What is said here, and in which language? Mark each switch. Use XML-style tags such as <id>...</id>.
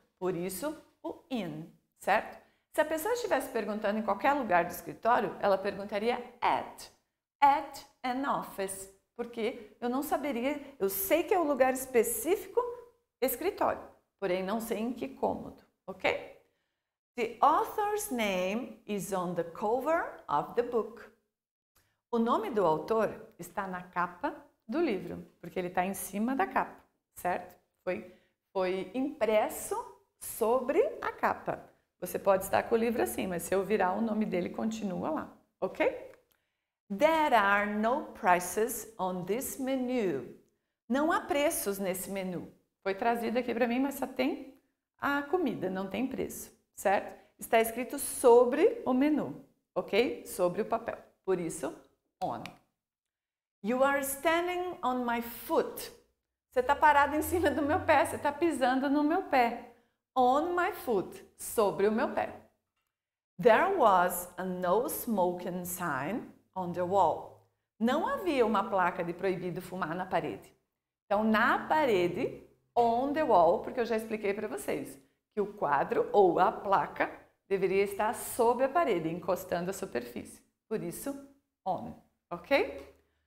<pt>Por isso, o in, certo? Se a pessoa estivesse perguntando em qualquer lugar do escritório, ela perguntaria</pt> <en>at an office,</en> <pt>porque eu não saberia, eu sei que é um lugar específico, escritório, porém não sei em que cômodo, ok?</pt> <en>The author's name is on the cover of the book.</en> <pt>O nome do autor está na capa do livro, porque ele está em cima da capa, certo? Foi impresso sobre a capa. Você pode estar com o livro assim, mas se eu virar o nome dele, continua lá, ok?</pt> <en>There are no prices on this menu.</en> <pt>Não há preços nesse menu. Foi trazido aqui para mim, mas só tem a comida, não tem preço, certo? Está escrito sobre o menu, ok? Sobre o papel. Por isso,</pt> <en>on. You are standing on my foot.</en> <pt>Você está parado em cima do meu pé, você está pisando no meu pé.</pt> <en>On my foot,</en> <pt>sobre o meu pé.</pt> <en>There was a no smoking sign on the wall.</en> <pt>Não havia uma placa de proibido fumar na parede. Então, na parede,</pt> <en>on the wall,</en> <pt>porque eu já expliquei para vocês que o quadro ou a placa deveria estar sobre a parede, encostando a superfície. Por isso, on, ok?</pt>